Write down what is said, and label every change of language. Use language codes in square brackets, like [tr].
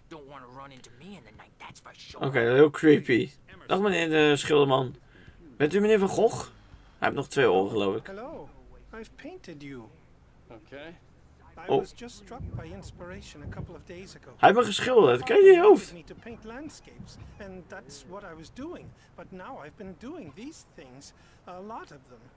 [en] Don't want to run into me in the night, that's for sure. [nl] Okay, heel creepy. Dag meneer de schilderman. Bent u meneer Van Gogh? Hij heeft nog twee ogen, geloof ik. [en] Hallo, I've painted you. Okay. I was just struck by inspiration a couple of days ago. [nl] Hij heeft me geschilderd. Kijk je hoofd. [en] I need to paint landscapes, and that's what I was doing. But now I've been doing these things, a lot of them.